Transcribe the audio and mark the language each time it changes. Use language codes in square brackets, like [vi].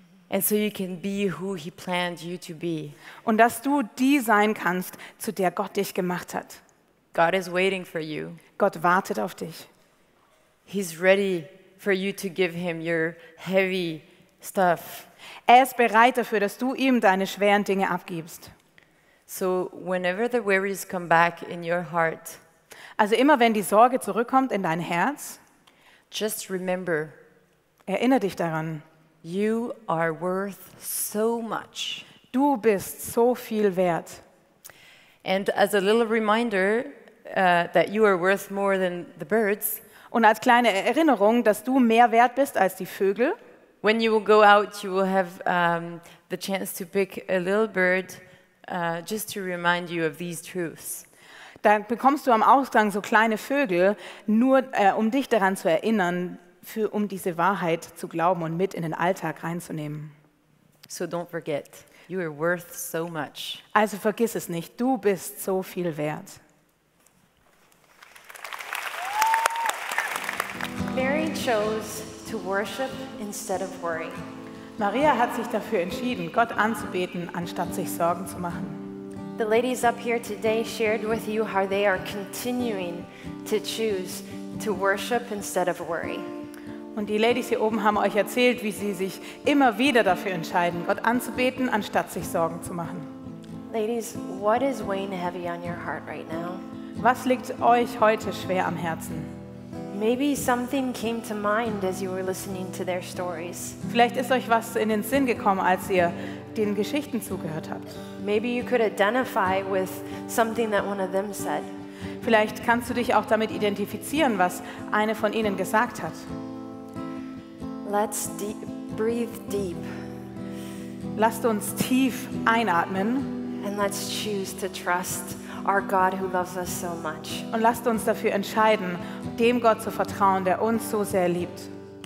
[en] And so you can be who he planned you to be. [de] Und dass du die sein kannst, zu der Gott dich gemacht hat. [en] God is waiting for you. [de] Gott wartet auf dich. [en] He's ready for you to give him your heavy stuff. [de] Er ist bereit dafür, dass du ihm deine schweren Dinge abgibst. [en] So whenever the worries come back in your heart. [de] Also immer wenn die Sorge zurückkommt in dein Herz. [en] Just remember. [de] Erinnere dich daran. [en] You are worth so much. [de] Du bist so viel wert. [en] And as a little reminder that you are worth more than the birds. [de] Und als kleine Erinnerung, dass du mehr wert bist als die Vögel. [en] When you will go out, you will have the chance to pick a little bird just to remind you of these truths. [de] Dann bekommst du am Ausgang so kleine Vögel, nur um dich daran zu erinnern, um diese Wahrheit zu glauben und mit in den Alltag reinzunehmen. [en] So don't forget, you are worth so much. [de] Also vergiss es nicht, du bist so viel wert. [en] Mary chose to worship instead of worry. [de] Maria hat sich dafür entschieden, Gott anzubeten, anstatt sich Sorgen zu machen. [en] The ladies up here today shared with you how they are continuing to choose to worship instead of worry. [de] Und die Ladies hier oben haben euch erzählt, wie sie sich immer wieder dafür entscheiden, Gott anzubeten, anstatt sich Sorgen zu machen. [en] Ladies, what is weighing heavy on your heart right now? [de] Was liegt euch heute schwer am Herzen? [en] Maybe something came to mind as you were listening to their stories. [de] Vielleicht ist euch was in den Sinn gekommen, als ihr den Geschichten zugehört habt. [en] Maybe you could identify with something that one of them said. [de] Vielleicht kannst du dich auch damit identifizieren, was eine von ihnen gesagt hat. [en] Let's breathe deep. [de] Lasst uns tief einatmen. [en] And let's choose to trust our God who loves us so much. [de] Und lasst uns dafür entscheiden, dem Gott zu vertrauen, der uns so sehr liebt.